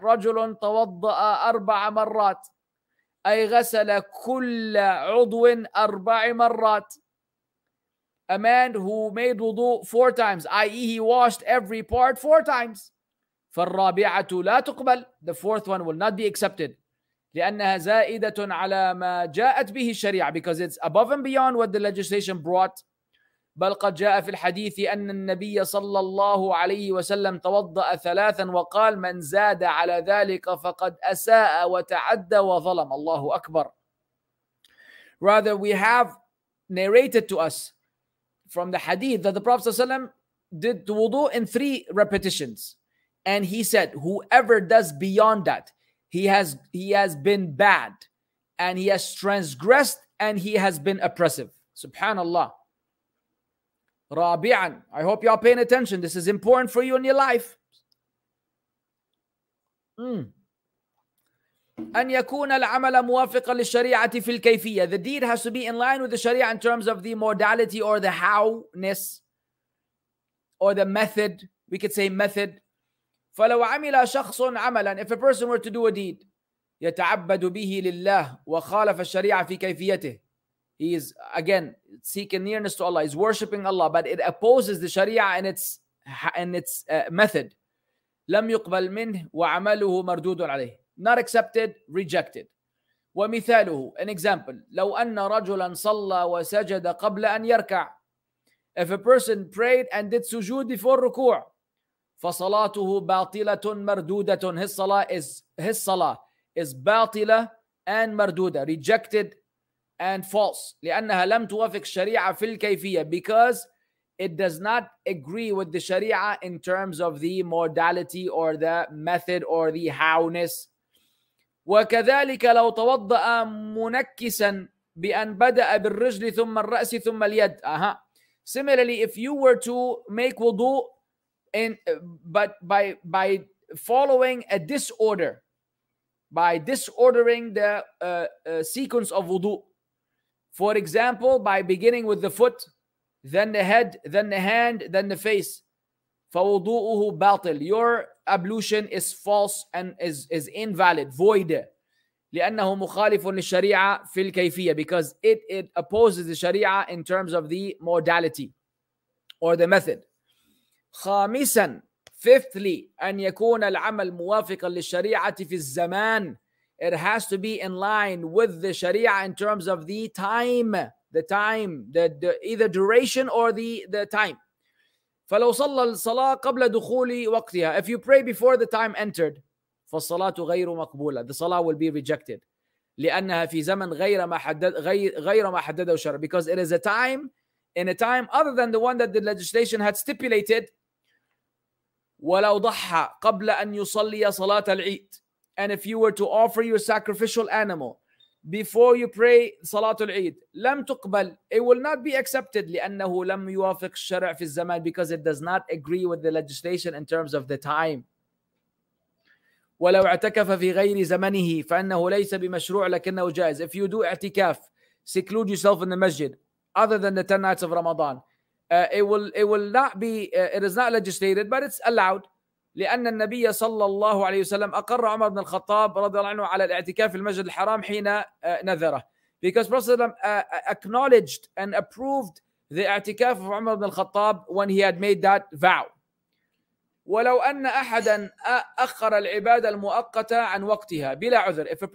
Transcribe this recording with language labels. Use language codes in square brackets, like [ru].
[ar] رَجُلٌ تَوَضَّأَ أَرْبَعَ مَرَّاتٍ أَيْ غَسَلَ كُلَّ عُضْوٍ أَرْبَعَ مَرَّاتٍ. [en] A man who made wudu 4 times, i.e. he washed every part 4 times. [ar] فَالرَّابِعَةُ لَا تُقْبَلْ. [en] The fourth one will not be accepted. [ar] لِأَنَّهَا زَائِدَةٌ عَلَى مَا جَاءَتْ بِهِ الشَّرِيعَةِ. [en] Because it's above and beyond what the legislation brought. [ar] بَلْ قَدْ جَاءَ فِي الْحَدِيثِ أَنَّ النَّبِيَّ صَلَّى اللَّهُ عَلَيْهِ وَسَلَّمْ تَوَضَّأَ ثَلَاثًا وَقَالَ مَنْ زَادَ عَلَى ذَلِكَ فَقَدْ أَسَاءَ وَتَعَدَّى وَظَلَمَ. اللَّهُ أَكْبَرُ. [en] Rather, we have narrated to us from the hadith that the Prophet ﷺ did the wudu in 3 repetitions. And he said, whoever does beyond that, he has been bad, and he has transgressed, and he has been oppressive. Subhanallah. Rabi'an. I hope you are paying attention. This is important for you in your life. [ar] أن يكون العمل موافقا للشريعة في الكيفية. [en] The deed has to be in line with the sharia in terms of the modality or the howness or the method. We could say method. [ar] فلو عمل شخص عملا, [en] if a person were to do a deed, [ar] يتعبد به لله وخالف الشريعة في كيفيته. [en] He is again seeking nearness to Allah. He's worshipping Allah, but it opposes the sharia and its method. [ar] لم يقبل منه وعمله مردود عليه. [en] Not accepted, rejected. [ar] ومثاله, [en] an example. [ar] لو أن رجلا صلى وسجد قبل أن يركع. [en] If a person prayed and did sujood before ركوع. [ar] فصلاته باطلة مردودة. [en] His salah is باطلة and مردودة. Rejected and false. [ar] لأنها لم توافق الشريعة في الكيفية. [en] Because it does not agree with the sharia in terms of the modality or the method or the howness. [ar] وكذلك لو توضأ منكسا بأن بدأ بالرجل ثم الرأس ثم اليد. [en] Similarly, if you were to make wudu but by following a disorder, by disordering the sequence of wudu, for example, by beginning with the foot, then the head, then the hand, then the face, [ar] فوضوءه باطل. [en] Your ablution is false and is invalid, void. [ar] لأنه مخالف للشريعة في الكيفية. [en] Because it opposes the sharia in terms of the modality or the method. [ar] خامسا, [en] fifthly, [ar] أن يكون العمل موافقا للشريعة في الزمان. [en] It has to be in line with the sharia in terms of the time, either duration or the time. [ar] فلو صلى الصلاة قبل دخول وقتها. [en] If you pray before the time entered, [ar] فالصلاة غير مقبولة. [en] The salah will be rejected. [ar] لأنها في زمن غير ما حدد غير ما حدده الشرع. [en] Because it is a time, in a time other than the one that the legislation had stipulated. [ar] ولو ضحى قبل أن يصلي صلاة العيد. [en] And if you were to offer your sacrificial animal before you pray صلاة العيد, [ar] لم تقبل. [en] It will not be accepted. [ar] لأنه لم يوافق الشرع في الزمان. [en] Because it does not agree with the legislation in terms of the time. [ar] ولو اعتكف في غير زمنه فانه ليس بمشروع لكنه جائز. [en] If you do [ar] اعتكاف [en] seclude yourself in the masjid other than the 10 nights of Ramadan. It will not be, it is not legislated, but it's allowed. [ar] لأن النبي صلى الله عليه وسلم أقر عمر بن الخطاب رضي الله عنه على الاعتكاف في المسجد الحرام حين نذره. [en] Because Prophet صلى الله عليه وسلم acknowledged and approved the اعتكاف of عمر بن الخطاب when he had made that vow. [ar] ولو أن أحدا أخر العبادة المؤقتة عن وقتها بلا عذر.